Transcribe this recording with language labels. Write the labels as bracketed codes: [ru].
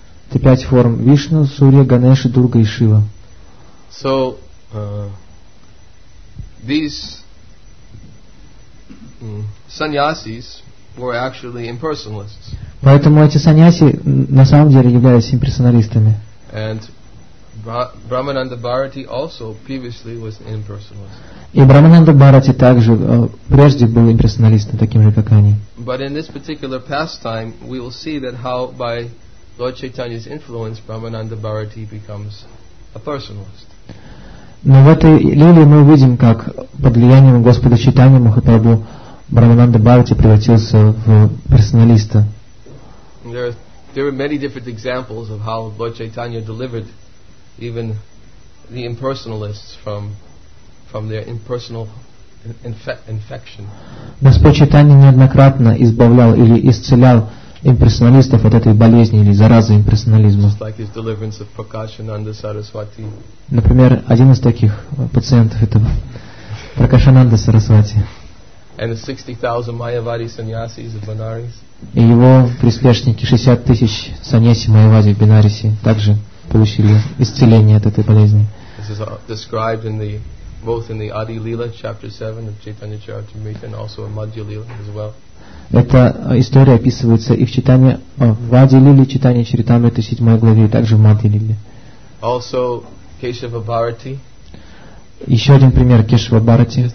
[ru] Это пять форм: Вишну, Сурья, Ганеш, Дурга и Шива. [en] So, these sannyasis were actually impersonalists. [ru] Поэтому эти саньяси на самом деле являлись имперсоналистами. [en] And Brahmananda Bharati also previously was an impersonalist. [ru] И Брамананда Бхарати также прежде был имперсоналистом, таким же, как они. [en] But in this particular pastime, we will see that how by Lord Chaitanya's influence, Brahmananda Bharati becomes a personalist. [ru] Но в этой лиле мы увидим, как под влиянием Господа Чайтаньи Махапрабху Брамананда Бхарати превратился в персоналиста. [en] There are many different examples of how Lord Chaitanya delivered even the impersonalists from their impersonal infection. [ru] Господь Чайтанья неоднократно избавлял или исцелял имперсоналистов от этой болезни или заразы имперсонализма. [en] Like his deliverance of Prakashananda Saraswati. [ru] Например, один из таких пациентов — это Пракашананда Сарасвати. [en] And the 60,000 Mayavadi sannyasis of Benares. [ru] И его приспешники, 60 тысяч саньяси Майявади в Бенарисе, также получили исцеление от этой болезни. [en] This is described in the both in the Adi Lila, chapter 7 of Chaitanya Charitamrita, and also in Madhya Lila as well. [ru] Эта история описывается и в Читании в Ади Лиле, Читании Чаритамриты, 7 главе, и также в Мадхи Лиле. [en] Also, Кешава Бхарати. [ru] Еще один пример Кешава Бхарати.